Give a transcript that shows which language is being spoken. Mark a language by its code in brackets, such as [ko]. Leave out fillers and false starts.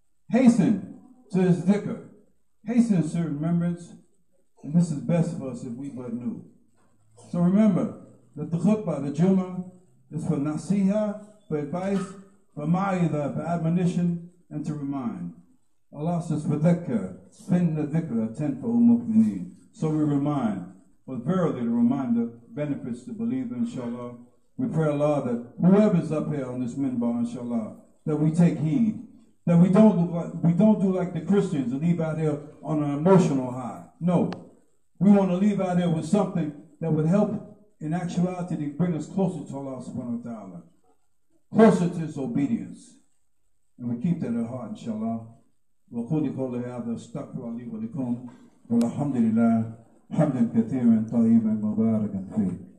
[en] Hasten to his dhikr. Hasten to remembrance. And this is best for us if we but knew. So remember that the khutbah, the Jummah, is for nasiha, for advice, for ma'idha, for admonition, and to remind. Allah says, [ar] فَذَكَّرْ فَإِنَّ ذِكْرَ تَنْفَعُ الْمُؤْمِنِينَ. [en] So we remind. But verily, the reminder benefits the believer, inshallah. We pray Allah that whoever's up here on this minbar, inshallah, that we take heed. That we don't do like the Christians and leave out here on an emotional high. No. We want to leave out here with something that would help in actuality to bring us closer to Allah subhanahu wa ta'ala. Closer to his obedience. And we keep that at heart, inshallah. [ar] وقولي قول هذا استغفر لي ولكم والحمد لله حمدا كثيرا طيبا مباركا فيه.